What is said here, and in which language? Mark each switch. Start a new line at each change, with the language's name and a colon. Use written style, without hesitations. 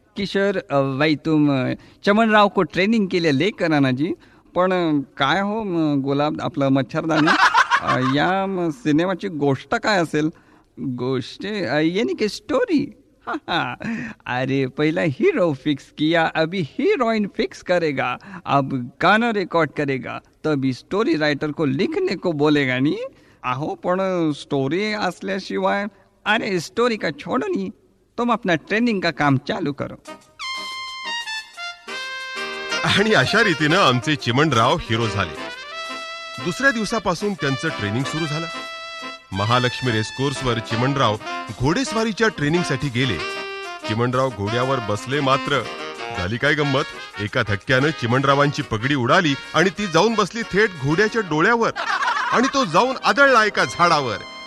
Hindi: किशोर भाई, तुम चिमणराव को ट्रेनिंग के लिए लेकर आना जी.
Marathi: पण काय हो गुलाब आपलं मच्छरदाणी, या सिनेमाची गोष्ट काय असेल?
Hindi: गोष्ट यानी की स्टोरी. हा, अरे पहिला हिरो फिक्स किया, अभी हिरोईन फिक्स करेगा. अब गाना रेकॉर्ड करेगा, तभी स्टोरी राइटर को लिखने को बोलेगा नी.
Marathi: आहो, पण स्टोरी असल्याशिवाय.
Hindi: अरे स्टोरी का छोडो नी, तुम अपना ट्रेनिंग का काम चालू करो.
Marathi: आणि अशा रीतीनं आमचे चिमणराव हिरो झाले. दुसऱ्या दिवसापासून त्यांचं ट्रेनिंग सुरू झालं. महालक्ष्मी रेस कोर्सवर चिमणराव घोडेस्वारीच्या ट्रेनिंगसाठी गेले. चिमणराव घोड्यावर बसले, मात्र झाली काय गंमत, एका धक्क्यानं चिमणरावांची पगडी उडाली आणि ती जाऊन बसली थेट घोड्याच्या डोळ्यावर, आणि तो जाऊन आदळला एका झाडावर.